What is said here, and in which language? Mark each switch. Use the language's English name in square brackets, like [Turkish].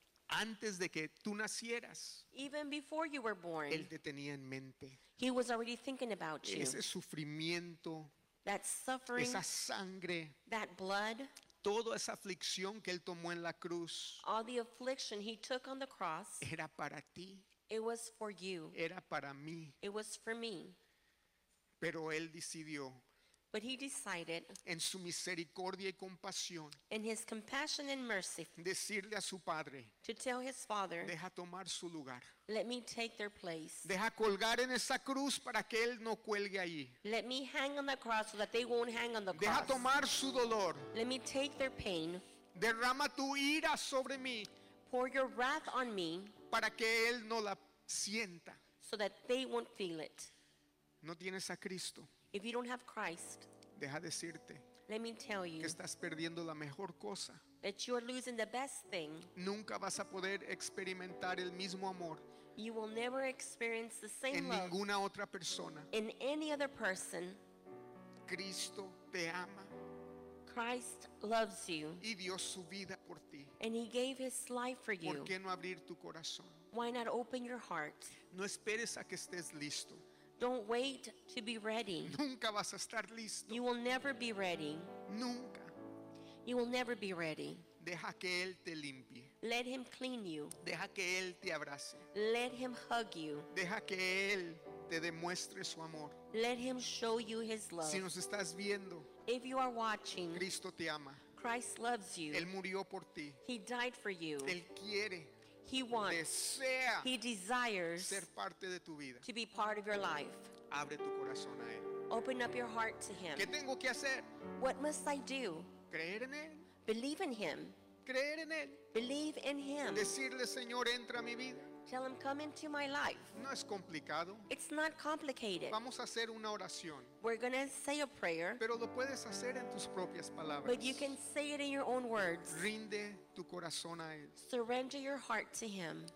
[Spanish] antes de que tú nacieras, [English] even before you were born, [Spanish] Él te tenía en mente, [English] he was already thinking about you, [Spanish] ese sufrimiento, [English] that suffering, [Spanish] esa sangre, [English] that blood, [Spanish] toda esa aflicción que él tomó en la cruz, [English] all the affliction he took on the cross, [Spanish] era para ti, [English] it was for you, [Spanish] era para mí, [English] it was for me. [Spanish] Pero él decidió, [English] but he decided, [Spanish] en su misericordia y compasión, [English] in his compassion and mercy, [Spanish] decirle a su padre, [English] to tell his father, [Spanish] deja tomar su lugar, [English] let me take their place, [Spanish] deja colgar en esa cruz para que él no cuelgue allí, [English] let me hang on the cross so that they won't hang on the cross, [Spanish] deja tomar su dolor, [English] let me take their pain, [Spanish] derrama tu ira sobre mí, [English] pour your wrath on me, [Spanish] para que él no la sienta, [English] so that they won't feel it. [Spanish] No tienes a Cristo. [English] If you don't have Christ, [Spanish] deja decirte, [English] let me tell you, [Spanish] que estás perdiendo la mejor cosa, [English] that you are losing the best thing. [Spanish] Nunca vas a poder experimentar el mismo amor, [English] you will never experience the same [Spanish] en [English] love [Spanish] ninguna otra persona, [English] in any other person. [Spanish] Cristo te ama. [English] Christ loves you. [Spanish] Y dio su vida por ti. [English] And he gave his life for you. [Spanish] ¿Por qué no abrir tu corazón? [English] Why not open your heart? [Spanish] No esperes a que estés listo. [English] Don't wait to be ready. [Spanish] Nunca vas a estar listo. [English] You will never be ready. [Spanish] Nunca. [English] You will never be ready. [Spanish] Deja que él te limpie. [English] Let him clean you. [Spanish] Deja que él te abrace. [English] Let him hug you. [Spanish] Deja que él te demuestre su amor. [English] Let him show you his love. [Spanish] Si nos estás viendo, [English] if you are watching, [Spanish] Cristo te ama. [English] Christ loves you. [Spanish] Él murió por ti. [English] He died for you. [Spanish] Él quiere. [English] He wants. [Spanish] Desea. [English] He desires. [Spanish] Ser parte de tu vida. [English] To be part of your life. [Spanish] Abre tu corazón a él. [English] Open up your heart to him. [Spanish] ¿Qué tengo que hacer? [English] What must I do? [Spanish] Creer en él. [English] Believe in him. [Spanish] Creer en él. [English] Believe in him. [Spanish] Decirle, Señor, entra a mi vida. [English] Tell him, come into my life. [Spanish] No es complicado. [English] It's not complicated. [Spanish] Vamos a hacer una oración. [English] We're going to say a prayer. [Spanish] Pero lo puedes hacer en tus propias palabras. [English] But you can say it in your own words. [Spanish] Rinde tu corazón a él. [English] Surrender your heart to him.